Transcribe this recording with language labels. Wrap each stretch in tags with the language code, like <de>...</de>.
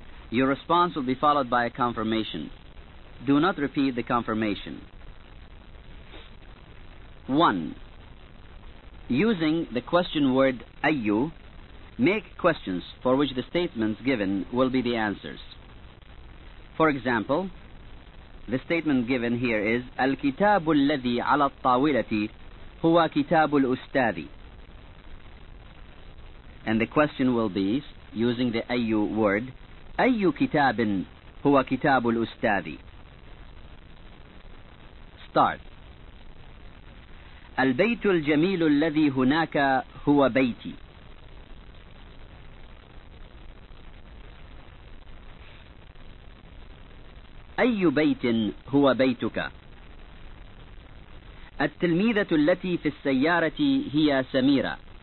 <en>Your response will be followed by a confirmation. Do not repeat the confirmation. 1. Using the question word أيّ, make questions for which the statements given will be the answers. For example, the statement given here is</en> <ar>الكتاب الذي على الطاولة هو كتاب الأستاذ.</ar> <en>And the question will be, using the أيّ word,</en> <ar>أيّ كتاب هو كتاب الأستاذ.</ar> <en>Start.</en> <ar>البيت الجميل الذي هناك هو بيتي. أي بيت هو بيتك؟ التلميذة التي في السيارة هي سميرة.</ar>